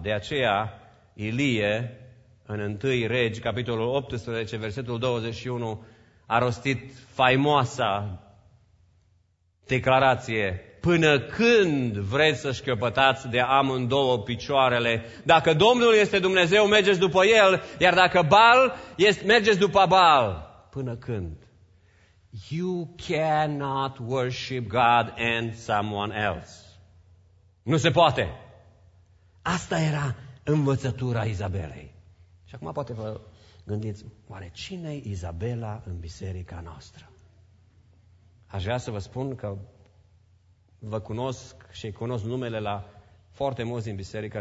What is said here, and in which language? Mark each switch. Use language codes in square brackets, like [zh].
[ro] De aceea, Ilie, în 1 Regi, capitolul 18, versetul 21, a rostit faimoasa declarație: până când vreți să șchiopătați de amândouă picioarele? Dacă Domnul este Dumnezeu, mergeți după El, iar dacă Baal, mergeți după Baal. Până când? [en] You cannot worship God and someone else. [ro] Nu se poate. Asta era învățătura Izabelei. Și acum poate vă gândiți, oare cine-i Izabela în biserica noastră? Aș vrea să vă spun că vă cunosc și cunosc numele la foarte mulți din biserică.